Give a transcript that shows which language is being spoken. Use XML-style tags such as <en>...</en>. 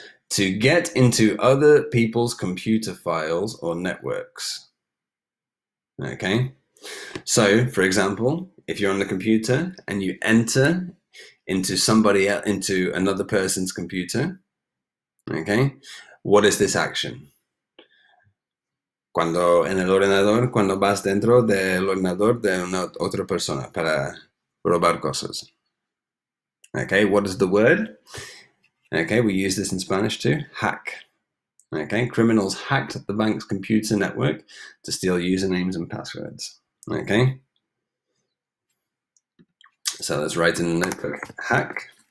<en>To get into other people's computer files or networks. Okay. So, for example, if you're on the computer and you enter into somebody into another person's computer, okay, what is this action?</en> <es>Cuando en el ordenador, cuando vas dentro del ordenador de una otra persona para robar cosas.</es> <en>Okay, what is the word? Okay, we use this in Spanish too, hack. Okay, criminals hacked the bank's computer network to steal usernames and passwords. Okay, so let's write in the notebook, hack.</en>